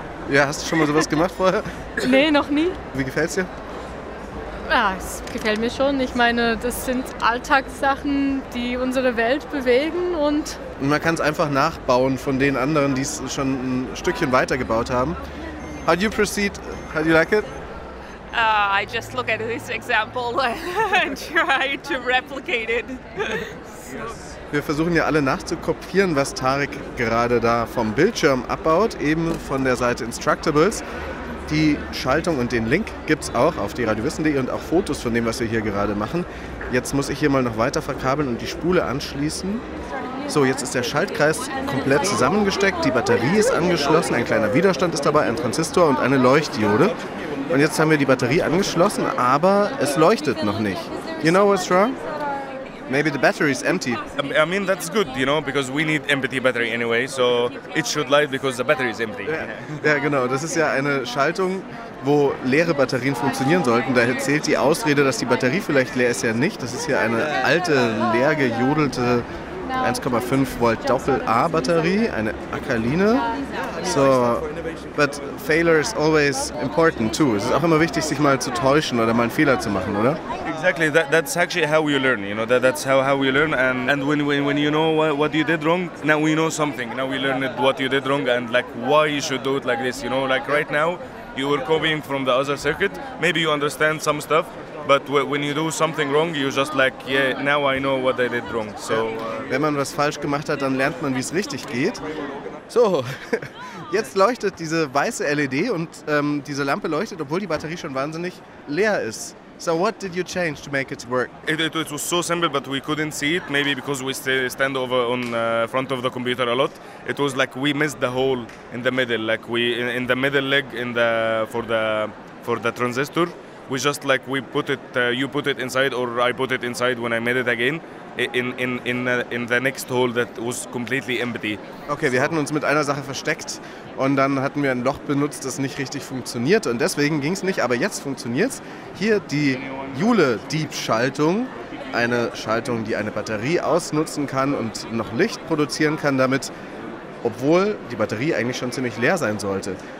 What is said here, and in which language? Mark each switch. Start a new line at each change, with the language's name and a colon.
German: Ja, hast du schon mal sowas gemacht vorher? Nee, noch nie. Wie gefällt es dir? Ja, es gefällt mir schon. Ich meine, das sind Alltagssachen, die unsere Welt bewegen und... Man kann es einfach nachbauen von den anderen, die es schon ein Stückchen weiter gebaut haben.
English: How do you proceed? How do you like it? I just look at this example and try to replicate it.
German: Wir versuchen ja alle nachzukopieren, was Tarek gerade da vom Bildschirm abbaut, eben von der Seite Instructables. Die Schaltung und den Link gibt es auch auf deradiowissen.de und auch Fotos von dem, was wir hier gerade machen. Jetzt muss ich hier mal noch weiter verkabeln und die Spule anschließen. So, jetzt ist der Schaltkreis komplett zusammengesteckt, die Batterie ist angeschlossen, ein kleiner Widerstand ist dabei, ein Transistor und eine Leuchtdiode. Und jetzt haben wir die Batterie angeschlossen, aber es leuchtet noch nicht.
English: You know what's wrong? Maybe the battery is empty. I mean, that's good, you know, because we need empty battery anyway, so it should light because the battery is empty.
German: Ja, genau, das ist ja eine Schaltung, wo leere Batterien funktionieren sollten. Da zählt die Ausrede, dass die Batterie vielleicht leer ist, ja nicht. Das ist hier eine alte, leer gejodelte 1,5 Volt Doppel-A-Batterie, eine Akaline.
English: So, but failure is always important too.
German: Es ist auch immer wichtig, sich mal zu täuschen oder mal einen Fehler zu machen, oder?
English: Exactly. That's actually how you learn. You know, that's how you learn. And when you know what you did wrong, now we know something. Now we learned what you did wrong and like why you should do it like this. You know, like right now, you were copying from the other circuit, maybe you understand some stuff, but when you do something wrong, you just like, yeah, now I know what I did wrong. So,
German: wenn man was falsch gemacht hat, dann lernt man, wie es richtig geht. So, jetzt leuchtet diese weiße LED und diese Lampe leuchtet, obwohl die Batterie schon wahnsinnig leer ist.
English: So what did you change to make it work? It was so simple, but we couldn't see it, maybe because we stand over on front of the computer a lot. It was like we missed the hole in the middle, like we in the middle leg in the for the transistor. We just like we put it, you put it inside or I put it inside when I made it again. In the next hole that was completely empty.
German: Okay, wir hatten uns mit einer Sache versteckt und dann hatten wir ein Loch benutzt, das nicht richtig funktioniert und deswegen ging es nicht, aber jetzt funktioniert es. Hier die Joule-Deep-Schaltung, eine Schaltung, die eine Batterie ausnutzen kann und noch Licht produzieren kann damit, obwohl die Batterie eigentlich schon ziemlich leer sein sollte.